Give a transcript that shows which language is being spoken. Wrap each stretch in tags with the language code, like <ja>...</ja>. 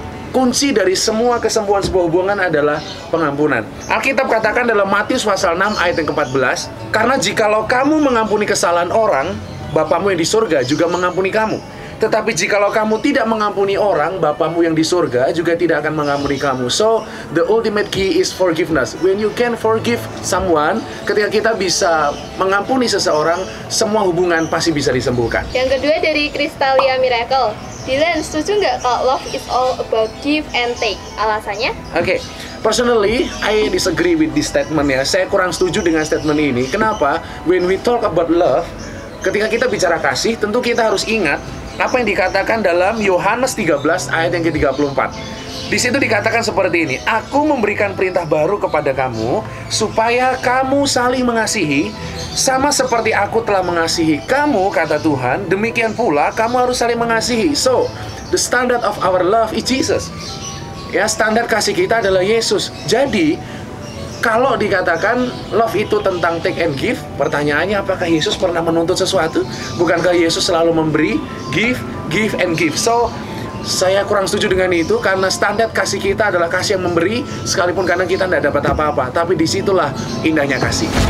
<id>Kunci dari semua kesembuhan sebuah hubungan adalah pengampunan. Alkitab katakan dalam Matius pasal 6 ayat yang ke-14, karena jikalau kamu mengampuni kesalahan orang, Bapamu yang di surga juga mengampuni kamu. Tetapi jikalau kamu tidak mengampuni orang, Bapamu yang di surga juga tidak akan mengampuni kamu.</id> <en>So, the ultimate key is forgiveness. When you can forgive someone,</en> <id>ketika kita bisa mengampuni seseorang, semua hubungan pasti bisa disembuhkan. Yang kedua dari Kristalia Miracle.</id> <en>Dylan,</en> <id>setuju nggak kalau</id> <en>love is all about give and take?</en> <id>Alasannya?</id> <en>Oke, personally, I disagree with this statement ya.</en> <id>Saya kurang setuju dengan statement ini. Kenapa?</id> <en>When we talk about love,</en> <id>ketika kita bicara kasih, tentu kita harus ingat apa yang dikatakan dalam Yohanes 13 ayat yang ke-34. Di situ dikatakan seperti ini, aku memberikan perintah baru kepada kamu supaya kamu saling mengasihi sama seperti aku telah mengasihi kamu, kata Tuhan. Demikian pula kamu harus saling mengasihi.</id> <en>So, the standard of our love is Jesus.</en> <id>Ya, standar kasih kita adalah Yesus. Jadi, kalau dikatakan love itu tentang</id> <en>take and give,</en> <id>pertanyaannya apakah Yesus pernah menuntut sesuatu? Bukankah Yesus selalu memberi,</id> <en>give, give and give?</en> <id>So, saya kurang setuju dengan itu, karena standar kasih kita adalah kasih yang memberi, sekalipun kadang kita tidak dapat apa-apa, tapi disitulah indahnya kasih.</id>